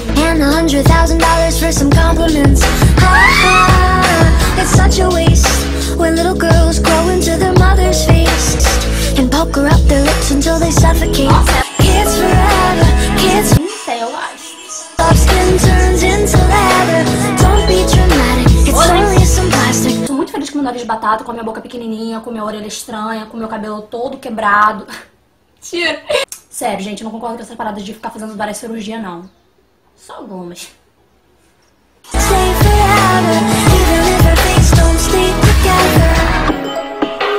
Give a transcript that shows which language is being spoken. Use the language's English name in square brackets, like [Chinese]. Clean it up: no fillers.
[English] And $100,000 for some compliments. Ha ha! It's such a waste. When little girls grow into their mother's face. And poker up their lips until they suffocate. [Portuguese] Nossa. [English] Kids forever. Kids. Love skin turns into leather. Don't be dramatic. It's only some plastic. [Portuguese] Tô muito feliz com meu nariz de batata, com a minha boca pequenininha, com minha orelha estranha, com meu cabelo todo quebrado. Tia. Sério, gente, eu não concordo com essas paradas de ficar fazendo várias cirurgias, não. Só algumas. [English] Stay forever. Even if our fates don't stay together.